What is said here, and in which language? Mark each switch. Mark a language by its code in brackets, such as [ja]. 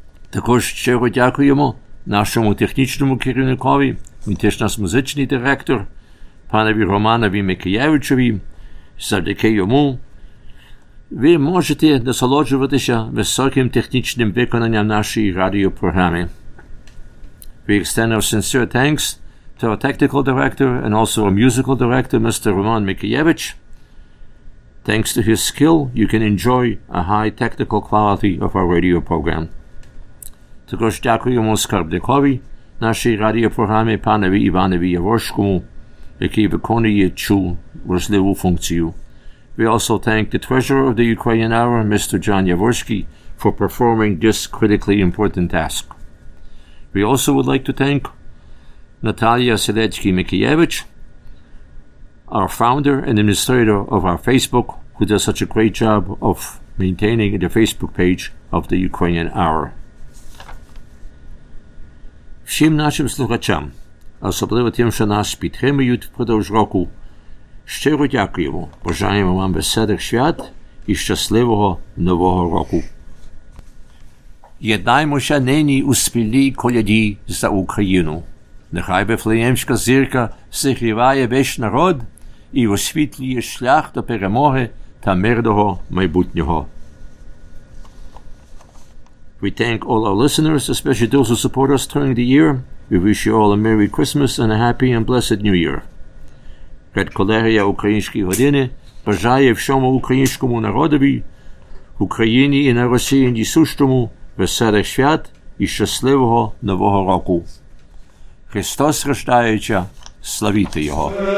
[uk] Також щиро дякуємо нашому технічному керівникові, він теж наш музичний директор, панові Романові Микієвичові. Завдяки йому ви можете насолоджуватися високим технічним виконанням нашої радіопрограми. [en] We extend our sincere thanks to our technical director and also our musical director, Mr. Roman Mikhayevich. Thanks to his skill, you can enjoy a high technical quality of our radio program. [uk] Також дякуємо скарбникові нашої радіопрограми панові Іванові Явошкому, який виконує цю важливу функцію. [en] We also thank the treasurer of the Ukrainian Hour, Mr. John Yavorsky, for performing this critically important task. We also would like to thank Natalia Selecki-Mikhayevich, our founder and administrator of our Facebook, who does such a great job of maintaining the Facebook page of the Ukrainian Hour. [uk] Всім нашим слухачам, особливо тим, що нас підтримують впродовж року, щиро дякуємо. Бажаємо вам веселих свят і щасливого Нового року. Єднаймося нині у спільній коляді за Україну. Нехай Вифлеємська зірка зігріває весь народ і освітлює шлях до перемоги та мирного майбутнього. [en] We thank all our listeners, especially those who support us during the year. We wish you all a Merry Christmas and a Happy and Blessed New Year. [uk] Редколегія Української години бажає всьому українському народові, Україні і на Росії сущому, веселих свят і щасливого Нового року. Христос рождається, славіте Його!